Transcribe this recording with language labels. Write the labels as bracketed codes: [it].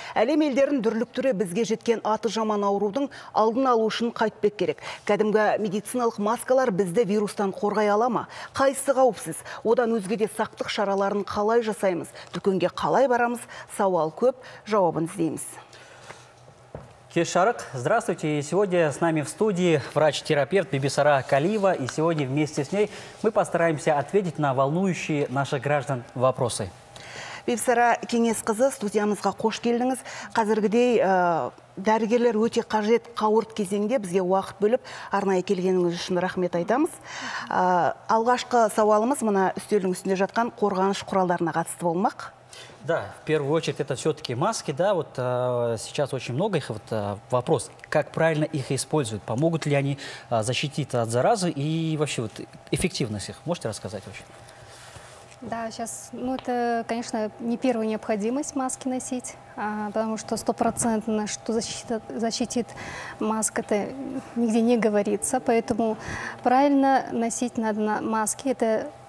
[kk] Әлем елдерін дүрліктіре бізге жеткен аты жаман аурудың алдын алу үшін қайтпек керек. Кәдімгі медициналық маскалар бізді вирустан қорғай ала ма? Қайсы қауіпсіз? Одан өзге де сақтық шараларын қалай жасаймыз? Дүкенге қалай барамыз? Сауал көп, жауабын іздейміз. Кешарык, [ru] здравствуйте. Сегодня с нами в студии врач-терапевт Бибисара Калиева. И сегодня вместе с ней мы постараемся ответить на волнующие наших граждан вопросы. [kk] Бибисара кеңес қызы, студиямызға қош келдіңіз. Қазіргідей дәрігерлер өте қажет қауырт кезеңде бізге уақыт бөліп, арнайы келгеніңіз үшін рахмет айтамыз. Алғашқы сауалымыз мына үстелдің үстінде жатқан қорғаныш құралдарына қатысты болмақ. [ru] Да, в первую очередь это все-таки маски, да, вот сейчас очень много их, вот вопрос, как правильно их используют, помогут ли они защитить от заразы и вообще вот эффективность их, можете рассказать вообще? Да, сейчас, ну это, конечно, не первая необходимость маски носить, потому что стопроцентно, что защитит маска, это нигде не говорится, поэтому правильно носить надо маски, это...